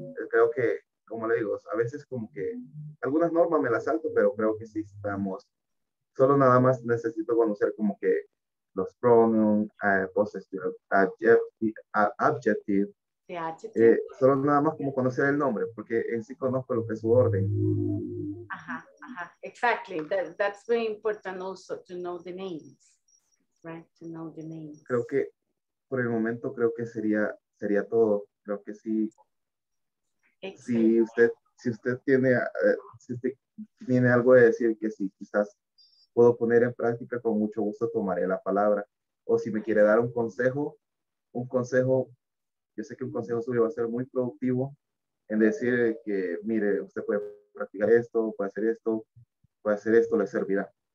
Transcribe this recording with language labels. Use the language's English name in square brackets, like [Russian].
[Spanish] Creo que, como le digo, a veces como que algunas normas me las salto, pero creo que sí estamos. Solo nada más necesito conocer como que los pronouns, possessive, adjective. Solo nada más como conocer el nombre, porque en sí conozco lo que es su orden. Ajá, ajá, exactly. [English] That's very important also to know the names, right? To know the names. [Spanish] Creo que por el momento creo que sería todo. Creo que sí. Si usted tiene tiene algo de decir, que sí, quizás puedo poner en práctica, con mucho gusto tomaré la palabra. O si me quiere dar un consejo, yo sé que un consejo suyo va a ser muy productivo en decir que, mire, usted puede practicar esto, puede hacer esto, le servirá.